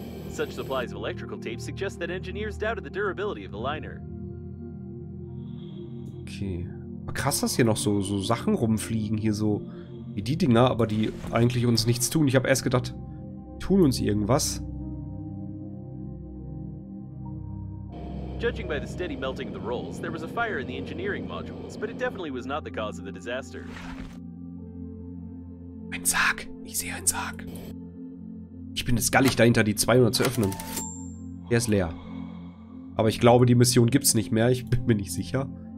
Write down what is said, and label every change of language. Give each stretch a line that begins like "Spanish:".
English: Such supplies of electrical tape suggest that engineers doubted the durability of the liner.
German: Okay. Krass, dass hier noch so Sachen rumfliegen. Hier so wie die Dinger, aber die eigentlich uns nichts tun. Ich habe erst gedacht, tun uns irgendwas.
English: Judging by the steady melting of the rolls, there was a fire in the engineering modules, but it definitely was not the cause of the disaster.
German: Ein Sarg. Ich sehe einen Sarg. Ich bin jetzt gallig dahinter, die 200 zu öffnen. Der ist leer. Aber ich glaube, die Mission gibt's nicht mehr. Ich bin mir nicht sicher.